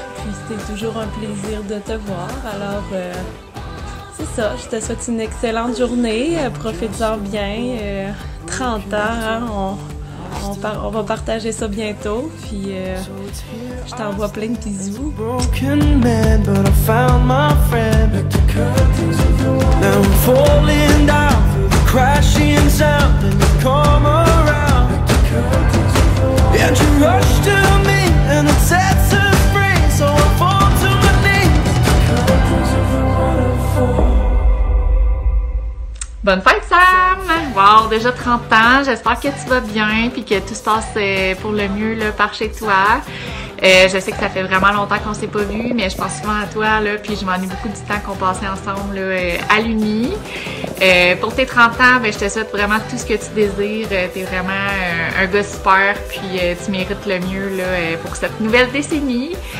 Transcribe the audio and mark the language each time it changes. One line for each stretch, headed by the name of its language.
French: Puis c'est toujours un plaisir de te voir. Alors, c'est ça. Je te souhaite une excellente journée. Profite-en bien. 30 ans, hein, on va partager ça bientôt, puis je t'envoie plein de bisous.
English: Broken man, but I found my friend. Now I'm falling down, crashing sound, and you come around. And you rush to me, and it sets us free, so I fall to my knees.
French: Bonne fête, Sam! Wow, déjà 30 ans, j'espère que tu vas bien et que tout se passe pour le mieux là, par chez toi. Je sais que ça fait vraiment longtemps qu'on s'est pas vu, mais je pense souvent à toi, là, puis je m'ennuie beaucoup du temps qu'on passait ensemble là, à l'Uni. Pour tes 30 ans, ben, je te souhaite vraiment tout ce que tu désires. T'es vraiment un gars super, puis tu mérites le mieux là, pour cette nouvelle décennie.